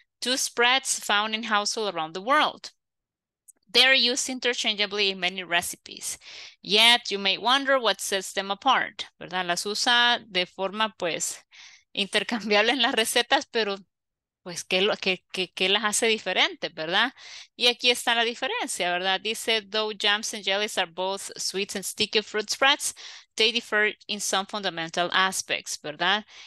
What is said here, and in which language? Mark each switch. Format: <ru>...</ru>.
<en>Two spreads found in households around the world. They are used interchangeably in many recipes. Yet, you may wonder what sets them apart.</en> <es>¿Verdad? Las usa de forma, pues, intercambiable en las recetas, pero, pues, ¿qué las hace diferentes? ¿Verdad? Y aquí está la diferencia, ¿verdad?</es> <en>Dice, though jams and jellies are both sweet and sticky fruit spreads, they differ in some fundamental aspects,</en> <es>¿verdad?</es>